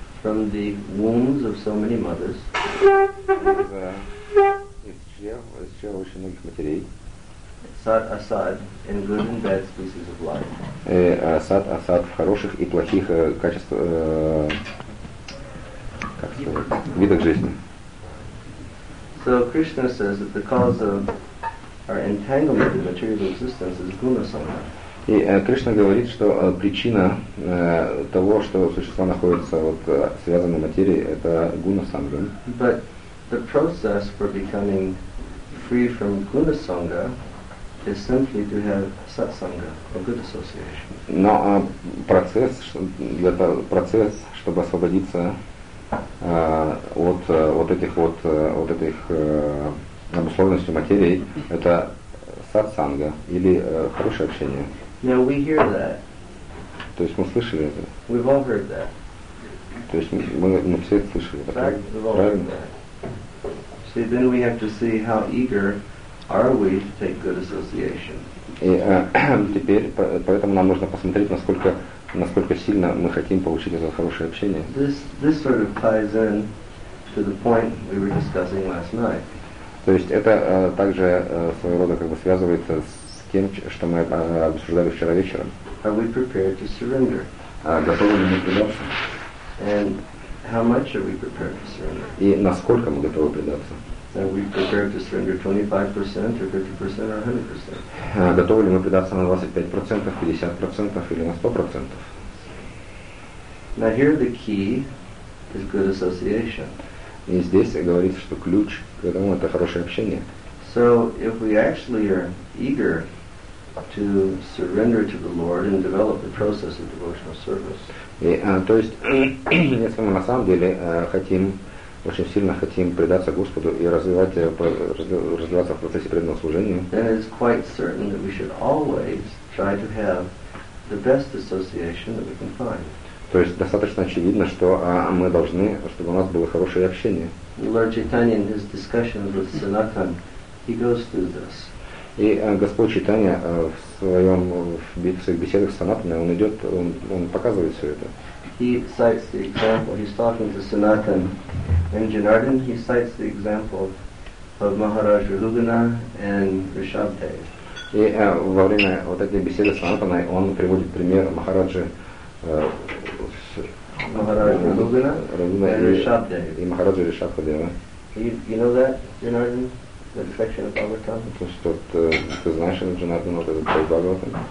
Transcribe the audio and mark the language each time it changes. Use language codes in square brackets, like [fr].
[en] From the wombs of so many mothers. [ru] Из чрева очень многих матерей. [en] Сад асад in good and bad species of life. [ru] Сад асад в хороших и плохих качествах. [en] So Krishna says that the cause of our entanglement in material existence is gunasanga. [ru] И Кришна говорит, что причина того, что существа находятся вот связанной материи, это гунасанга. [en] But the process for becoming free from gunasanga is simply to have satsanga, or good association. [ru] Но процесс, чтобы освободиться от этих обусловленностей материи, это сатсанга или хорошее общение. [en] Now we hear that. [ru] То есть мы слышали это. [en] We've all heard that. [ru] То есть мы все это слышали. Правильно. [en] See, then we have to see how eager are we to take good association. [ru] И теперь поэтому нам нужно посмотреть, насколько сильно мы хотим получить это хорошее общение. [en] This sort of ties in to the point we were discussing last night. [ru] То есть это также своего рода как бы связывается с тем, что мы обсуждали вчера вечером. [en] Are we prepared to surrender? [ru] Готовы ли мы предаться? [en] And how much are we prepared to surrender? [ru] И насколько мы готовы предаться? [en] Are we prepared to surrender 25% or 50% or 100%? [ru] Готовы ли мы предаться на 25%, 50% или на 100%? [en] Now here the key is good association. [ru] И здесь говорится, что ключ к этому — это хорошее общение. [en] So if we actually are eager to surrender to the Lord and develop the process of devotional service. [ru] И, то есть, если мы на самом деле хотим, очень сильно хотим предаться Господу и развиваться в процессе преданного служения, то есть достаточно очевидно, что мы должны, чтобы у нас было хорошее общение. [en] Lord Chaitanya in his discussions with Sanatan, he goes through this. [ru] И Господь Чайтанья в своих беседах с Санатаном, он показывает все это. [en] He cites the example, he's talking to Sanatan in Janardhan, he cites the example of Maharaj Rahugana and Rishabhdev. [ru] И во время вот этой беседы с Санатаной он приводит пример Махараджи Рахугана и Ришабхдева. [en] You know that, Janardhan? The reflection of Bhagavatam? [ru] То есть тот, ты знаешь, что Джанардан вот этот был Бхагаватам?